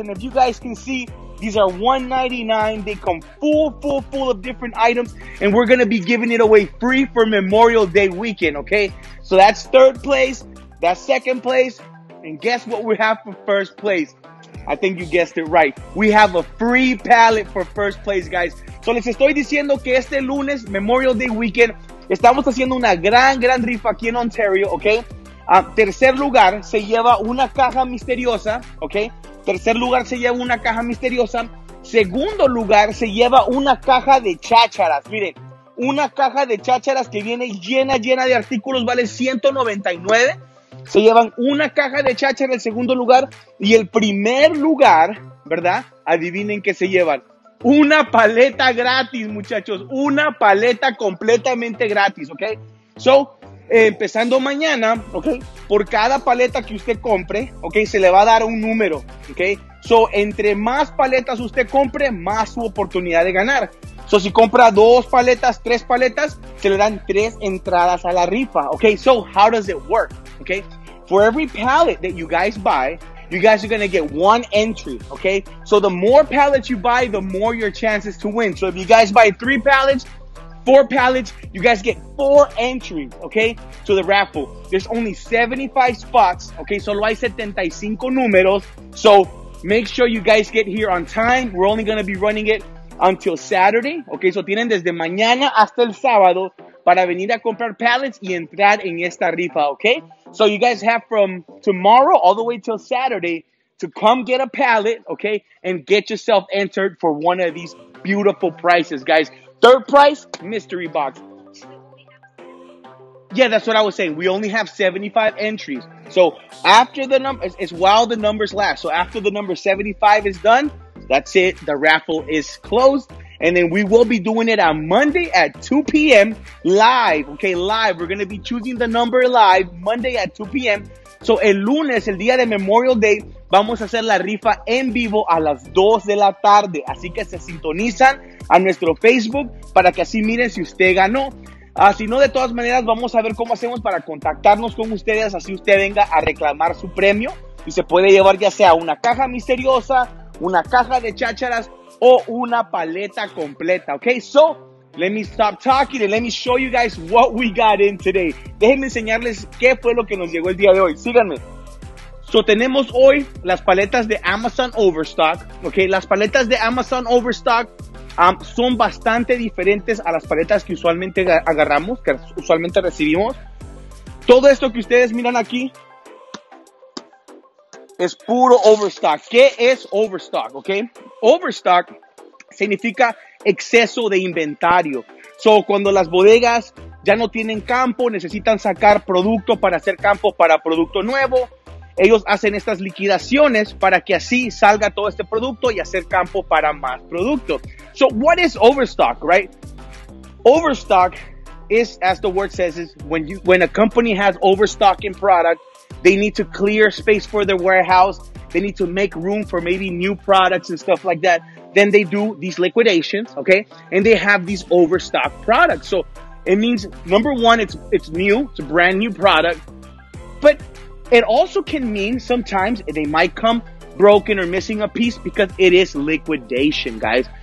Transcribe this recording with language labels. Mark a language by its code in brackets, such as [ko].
[en] And if you guys can see, these are $199. They come full of different items. And we're going to be giving it away free for Memorial Day weekend, okay? So that's third place. That's second place. And guess what we have for first place? I think you guessed it right. We have a free pallet for first place, guys. [es] So les estoy diciendo que este lunes, Memorial Day weekend, estamos haciendo una gran rifa aquí en Ontario, okay? Tercer lugar se lleva una caja misteriosa, okay? Tercer lugar se lleva una caja misteriosa. Segundo lugar se lleva una caja de chácharas. Miren, una caja de chácharas que viene llena de artículos, vale $199. Se llevan una caja de chácharas en segundo lugar. Y el primer lugar, ¿verdad? Adivinen qué se llevan. Una paleta gratis, muchachos. Una paleta completamente gratis, ¿ok? So, empezando mañana, ¿ok? Por cada paleta que usted compre, ¿ok? Se le va a dar un número, ¿ok? So, entre más paletas usted compre, más su oportunidad de ganar. So, si compra dos paletas, tres paletas, se le dan tres entradas a la rifa, ¿ok? [en] So, how does it work? Okay, for every pallet that you guys buy, you guys are going to get one entry, okay? So the more pallets you buy, the more your chances to win. So if you guys buy three pallets, four pallets, you guys get four entries, okay, to the raffle. There's only 75 spots, okay? Solo hay 75 números. So make sure you guys get here on time. We're only going to be running it until Saturday, okay? [es] So tienen desde mañana hasta el sábado para venir a comprar pallets y entrar en esta rifa, okay? [en] So you guys have from tomorrow all the way till Saturday to come get a pallet, okay, and get yourself entered for one of these beautiful prizes, guys. Third prize, mystery box. Yeah, that's what I was saying. We only have 75 entries. So after the numbers, it's while the numbers last. So after the number 75 is done, that's it. The raffle is closed. And then we will be doing it on Monday at 2 p.m. live, okay, live. We're going to be choosing the number live Monday at 2 p.m. [es] So el lunes, el día de Memorial Day, vamos a hacer la rifa en vivo a las 2 de la tarde. Así que se sintonizan a nuestro Facebook para que así miren si usted ganó. Si no, de todas maneras, vamos a ver cómo hacemos para contactarnos con ustedes, así usted venga a reclamar su premio y se puede llevar ya sea una caja misteriosa, una caja de chácharas o una paleta completa, okay? [en] So, let me stop talking and let me show you guys what we got in today. [es] Déjenme enseñarles qué fue lo que nos llegó el día de hoy. Síganme. So, tenemos hoy las paletas de Amazon Overstock, okay? Las paletas de Amazon Overstock son bastante diferentes a las paletas que usualmente agarramos, que usualmente recibimos. Todo esto que ustedes miran aquí es puro overstock. ¿Qué es overstock? Okay. Overstock significa exceso de inventario. So, cuando las bodegas ya no tienen campo, necesitan sacar producto para hacer campo para producto nuevo, ellos hacen estas liquidaciones para que así salga todo este producto y hacer campo para más producto. [en] So, what is overstock, right? Overstock is, as the word says, is when a company has overstock in product, they need to clear space for their warehouse. They need to make room for maybe new products and stuff like that. then they do these liquidations, okay? And they have these overstock products. So it means, number one, it's new, it's a brand new product, but it also can mean sometimes they might come broken or missing a piece because it is liquidation, guys.